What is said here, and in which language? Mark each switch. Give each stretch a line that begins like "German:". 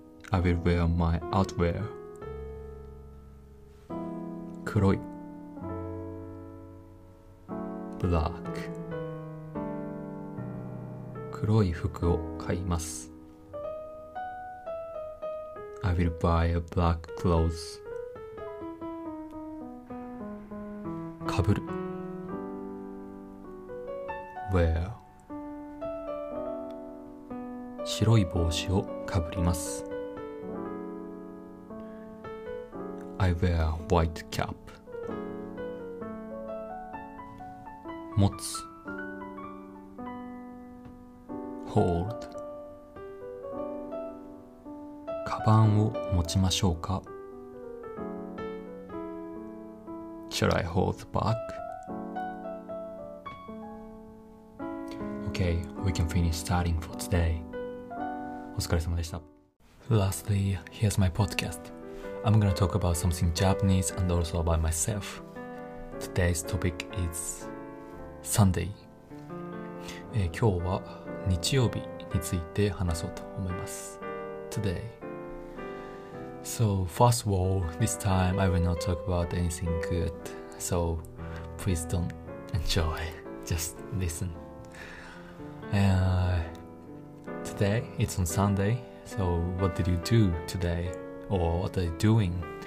English: I will wear my outerwear 黒い Black
Japanese: 黒い服を買います
English: I will buy a black clothes 被る wear
Japanese: 白い帽子をかぶります
English: I wear white cap 持つ Hold
Japanese: カバンを持ちましょうか
English: Should I hold the bag? Okay, we can finish starting for today.
Japanese: お疲れ様でした。
English: Lastly, here's my podcast. I'm gonna talk about something Japanese and also about myself. Today's topic is Sunday.
Japanese: 今日は日曜日について話そうと思います。
English: Today. So, first of all, this time I will not talk about anything good. So, please don't enjoy. Just listen. Today, it's on Sunday, so what did you do today, or what are you doing?